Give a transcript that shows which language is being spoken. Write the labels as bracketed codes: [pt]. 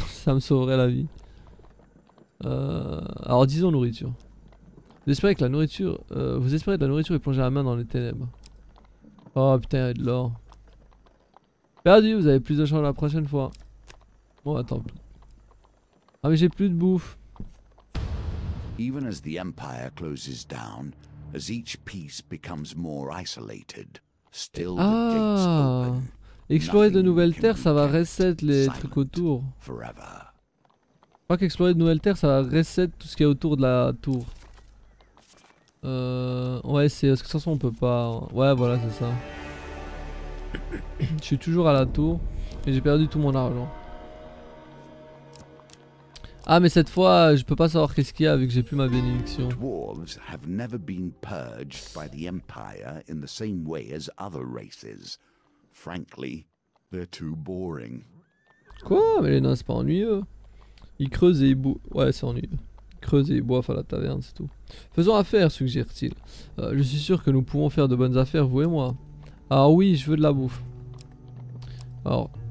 [fr] Ça me sauverait la vie. Alors, disons nourriture. Vous espérez que la nourriture est plongée à la main dans les ténèbres. Oh putain, il y a de l'or. Perdu, vous avez plus de chance la prochaine fois. Bon, attends. Ah mais j'ai plus de bouffe. [en] Even as the empire closes down, as each piece becomes more isolated, still the gates open. [fr] Explorer de nouvelles terres, ça va reset les trucs autour. Je crois qu'explorer de nouvelles terres, ça va reset tout ce qu'il y a autour de la tour. Ouais, c'est parce que sans ça, on peut pas. Ouais, voilà, c'est ça. Je suis toujours à la tour et j'ai perdu tout mon argent. Ah, mais cette fois, je peux pas savoir qu'est-ce qu'il y a vu que j'ai plus ma bénédiction. Les [en] dwarves have never been purged by the empire in the same way as other races. Frankly, they're too boring. [fr] Quoi? Mais les nains, c'est pas ennuyeux. Ils creusent et ils boivent. Ouais, c'est ennuyeux. Ils creusent et ils boivent à la taverne, c'est tout. Faisons affaire, suggère-t-il. Je suis sûr que nous pouvons faire de bonnes affaires, vous et moi. Ah oui, je veux de la bouffe. Alors.